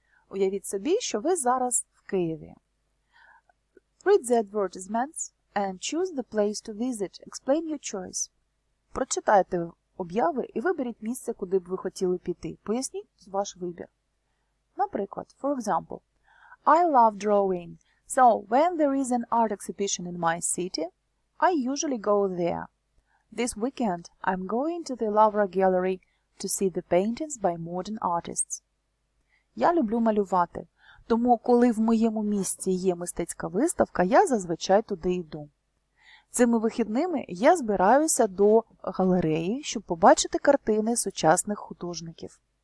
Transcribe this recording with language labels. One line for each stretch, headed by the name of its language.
Ukrainian: Уявіть собі, що ви зараз в Києві.
English: Read the advertisements and choose the place to visit. Explain your choice.
Ukrainian: Прочитайте об'яви і виберіть місце, куди б ви хотіли піти. Поясніть ваш вибір. Наприклад,
English: for example, I love drawing, so when there is an art exhibition in my city, I usually go there. This weekend I'm going to the Lavra Gallery to see the paintings by modern artists.
Ukrainian: Я люблю малювати, тому коли в моєму місті є мистецька виставка, я зазвичай туди йду. Цими вихідними я збираюся до галереї, щоб побачити картини сучасних художників.